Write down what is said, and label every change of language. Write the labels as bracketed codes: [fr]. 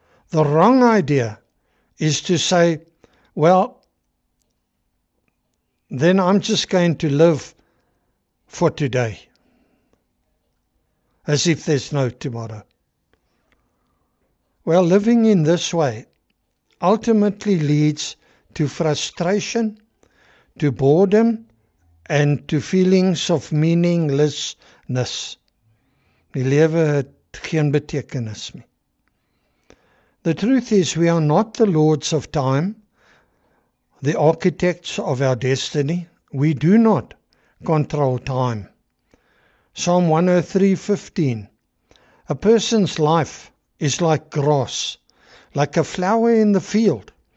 [en] The wrong idea is to say, well, then I'm just going to live for today, as if there's no tomorrow. Well, living in this way ultimately leads to frustration, to boredom, and to feelings of meaninglessness. [af] Die lewe het geen betekenis meer. [en] The truth is, we are not the lords of time, the architects of our destiny. We do not control time. Psalm 103:15. A person's life is like grass, like a flower in the field.